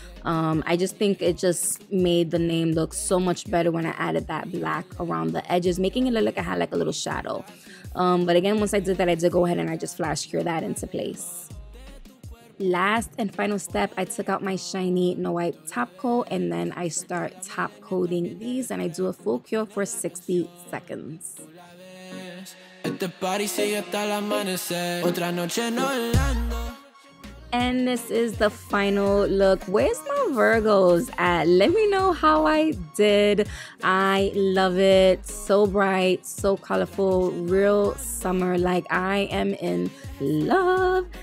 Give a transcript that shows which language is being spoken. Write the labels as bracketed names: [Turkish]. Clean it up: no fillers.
[English] I just think it just made the name look so much better when I added that black around the edges, making it look like I had like a little shadow. But again, once I did that, I did go ahead and I just flash cure that into place. Last and final step, I took out my shiny no wipe top coat and then I start top coating these and I do a full cure for 60 seconds. [Spanish] Este party sigue hasta el amanecer. Otra noche no hablando. [English] And this is the final look. Where's my Virgos at? Let me know how I did. I love it. So bright, so colorful, real summer. Like, I am in love.